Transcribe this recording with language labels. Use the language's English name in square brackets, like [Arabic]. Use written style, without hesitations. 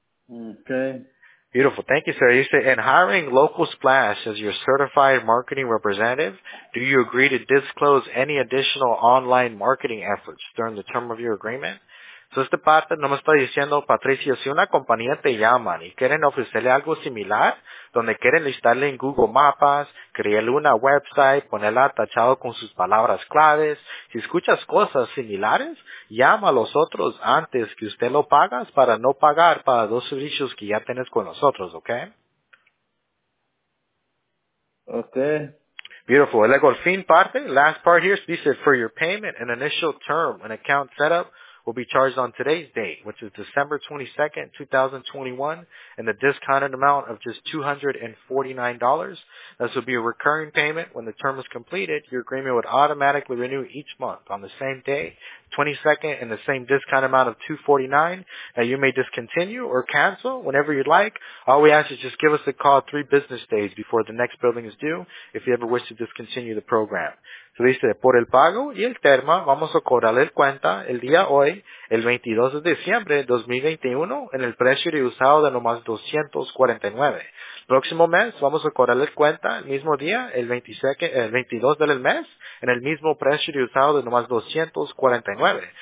[English] Ok. Beautiful. Thank you, sir. You say, in hiring Local Splash as your certified marketing representative, do you agree to disclose any additional online marketing efforts during the term of your agreement? [Spanish] So, esta parte no me está diciendo, Patricio, si una compañía te llama y quieren ofrecerle algo similar, donde quieren listarle en Google Maps, crearle una website, ponerla tachado con sus palabras claves, si escuchas cosas similares, llama a los otros antes que usted lo pagas para no pagar para dos servicios que ya tienes con nosotros, ¿ok? [English] Ok. Beautiful. [Spanish] El golfín parte, [English] last part here, [Spanish] dice, [English] for your payment, an initial term, an account setup will be charged on today's date, which is December 22nd, 2021, and the discounted amount of just $249. This will be a recurring payment. When the term is completed, your agreement would automatically renew each month on the same day, 22nd, and the same discount amount of $249. Now, you may discontinue or cancel whenever you'd like. All we ask is just give us a call 3 business days before the next billing is due if you ever wish to discontinue the program. [Spanish] So dice, por el pago y el termo, vamos a cobrarle cuenta el día hoy, el 22 de diciembre de 2021, en el precio de usado de nomás $249. Próximo mes, vamos a cobrarle cuenta el mismo día, el 22 del mes, en el mismo precio de usado de nomás $249.